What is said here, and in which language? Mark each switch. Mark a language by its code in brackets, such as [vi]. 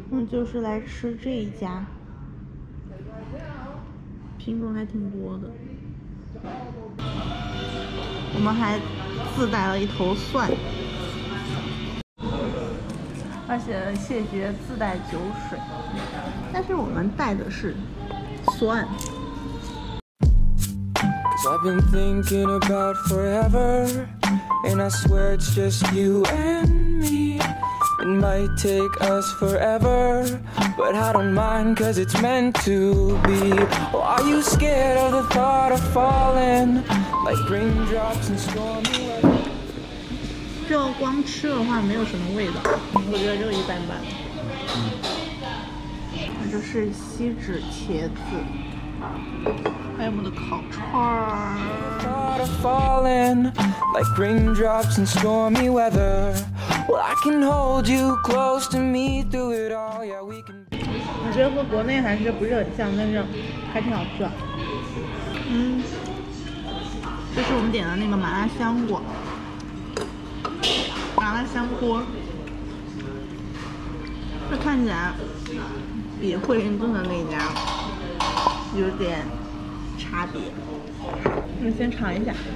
[zh] 就是来吃这一家，品种还挺多的。我们还自带了一头蒜，而且谢绝自带酒水，但是我们带的是蒜。 [en] So I've been thinking about forever, and I swear it's just you and me. It might take us forever, but I don't mind 'cause it's meant to be. Oh, are you scared of the thought of falling like raindrops and stormy weather? [zh] 这光吃的话没有什么味道，我觉得就一般般。那就是锡纸茄子，还有我们的烤串儿。 [en] Thought of falling like raindrops and stormy weather. Well, I can hold you close to me through it all. Yeah, we can. [zh] 我觉得和国内还是不是很像，但是还挺好吃的。嗯，这是我们点的那个麻辣香锅，麻辣香锅。这看起来比惠灵顿的那家有点差别。那先尝一下。